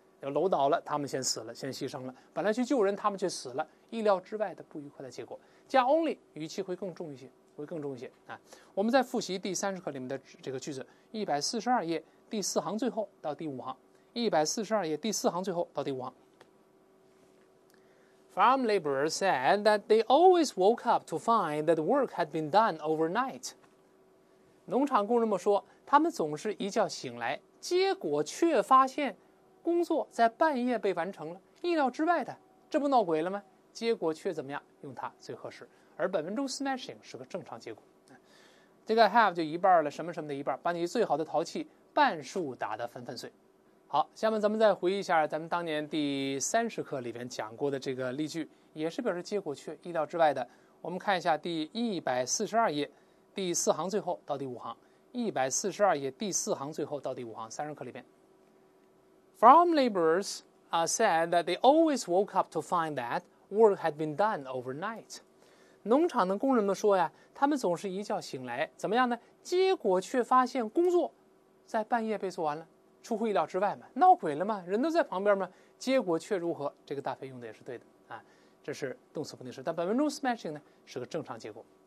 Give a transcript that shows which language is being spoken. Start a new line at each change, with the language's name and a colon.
Chinese: 楼倒了，他们先死了，先牺牲了。本来去救人，他们却死了，意料之外的不愉快的结果。加 only， 语气会更重一些，会更重一些。我们在复习第三十课里面的这个句子，142页第四行最后到第五行。
English: Farm laborers said that they always woke up to find that work had been done overnight.
Chinese: 农场工人们说，他们总是一觉醒来，结果却发现工作在半夜被完成了，意料之外的，这不闹鬼了吗？结果却怎么样？用它最合适。而本文中 smashing 是个正常结果。这个 have 就一半了，什么什么的一半，把你最好的陶器半数打得粉粉碎。好，下面咱们再回忆一下咱们当年第三十课里边讲过的这个例句，也是表示结果却意料之外的。我们看一下第142页，第四行最后到第五行。 142页第四行最后到第五行，三十课里边。
English: Farm laborers said that they always woke up to find that work had been done overnight.
Chinese: 农场的工人们说呀，他们总是一觉醒来，怎么样呢？结果却发现工作在半夜被做完了。出乎意料之外嘛，闹鬼了嘛，人都在旁边嘛，结果却如何？这个大飞用的也是对的啊，这是动词不定式，但本文中 smashing 呢是个正常结果。